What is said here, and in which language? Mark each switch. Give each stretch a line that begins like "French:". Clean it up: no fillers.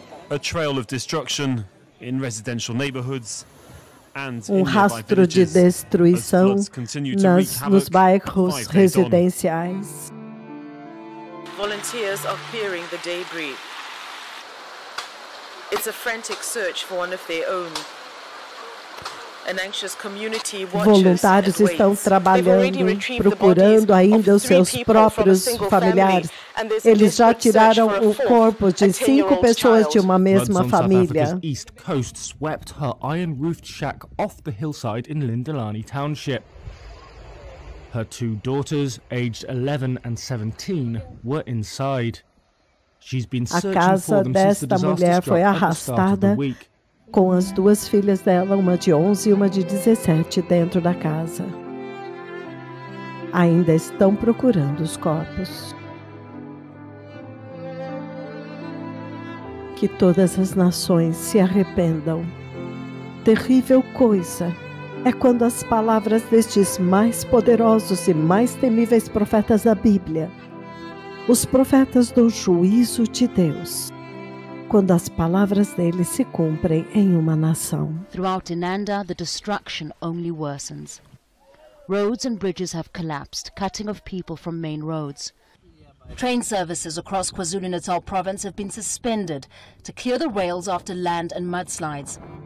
English: A trail of destruction in residential neighborhoods and
Portuguese: in rastro de destruição nos bairros residenciais.
English: Volunteers are clearing the debris. It's a frantic search for one of their own. An anxious community watches.
Portuguese: Voluntários estão trabalhando, procurando ainda os seus próprios familiares. Eles já tiraram o corpo de 5 pessoas de uma mesma família.
English: East Coast swept her iron-roofed shack off the hillside in Lindelani Township. Her 2 daughters, aged 11 and 17, were inside. She's been searching for them since the disaster struck.
Portuguese: A casa desta mulher foi arrastada com as 2 filhas dela, uma de 11 e uma de 17, dentro da casa. Ainda estão procurando os corpos. Que todas as nações se arrependam. Terrível coisa é quando as palavras destes mais poderosos e mais temíveis profetas da Bíblia, os profetas do juízo de Deus, quando as palavras deles se cumprem em uma nação.
English: Throughout Inanda, the destruction only worsens. Roads and bridges have collapsed, cutting off people from main roads. Train services across KwaZulu-Natal province have been suspended to clear the rails after land and mudslides.